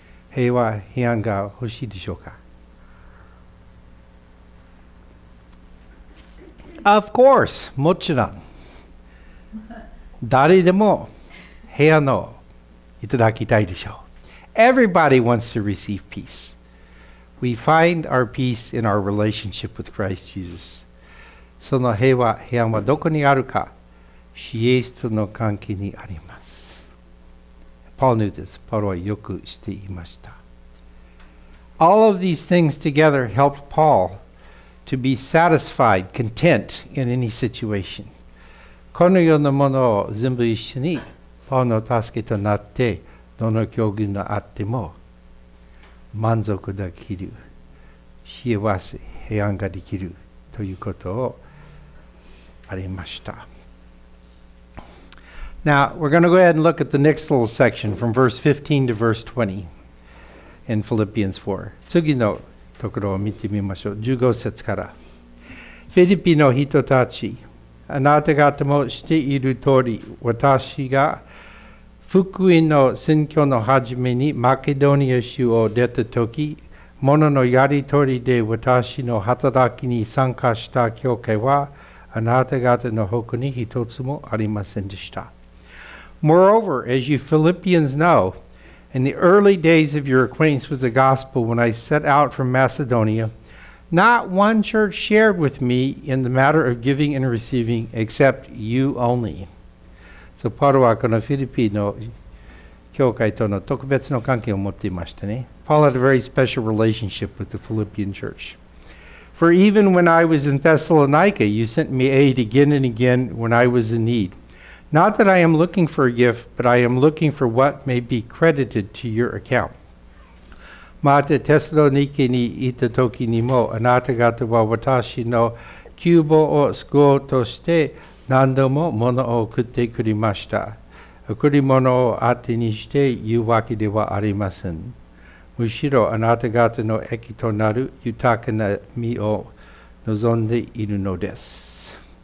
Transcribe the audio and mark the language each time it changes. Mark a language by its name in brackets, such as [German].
[Japanese] 平和、平安が欲しいでしょうか? [English] Of course, [Japanese] もちろん。誰でも平安のいただきたいでしょう。 [English] Everybody wants to receive peace. We find our peace in our relationship with Christ Jesus. [Japanese] その平安はどこにあるか、イエスとの関係にあります。 [English] Paul knew this. [Japanese] Paul はよく知っていました。 [English] All of these things together helped Paul to be satisfied, content in any situation. [Japanese] このようなものを全部一緒に、パウの助けとなって、どの境遇があっても満足できる、幸せ、平安ができるということをありました。 [English] Now, we're going to go ahead and look at the next little section from verse 15 to verse 20 in Philippians 4. [Japanese] 次のところを見てみましょう。15節から。フィリピの人たち、あなた方も知っている通り、私が福音の宣教の始めにマケドニア州を出たとき、もののやりとりで私の働きに参加した教会は、あなた方の他に一つもありませんでした。 [English] Moreover, as you Philippians know, in the early days of your acquaintance with the gospel, when I set out from Macedonia, not one church shared with me in the matter of giving and receiving except you only. [Japanese] So, Paul はこのフィリピの教会との特別の関係を持っていましたね。 [English] Paul had a very special relationship with the Philippian church. For even when I was in Thessalonica, you sent me aid again and again when I was in need. Not that I am looking for a gift, but I am looking for what may be credited to your account. [Japanese] また、テスロニケに行った時にも、あなた方は私の急募を救おうとして、何度も物を送ってくれました。贈り物を当てにして言うわけではありません。むしろあなた方の益となる豊かな実を望んでいるのです。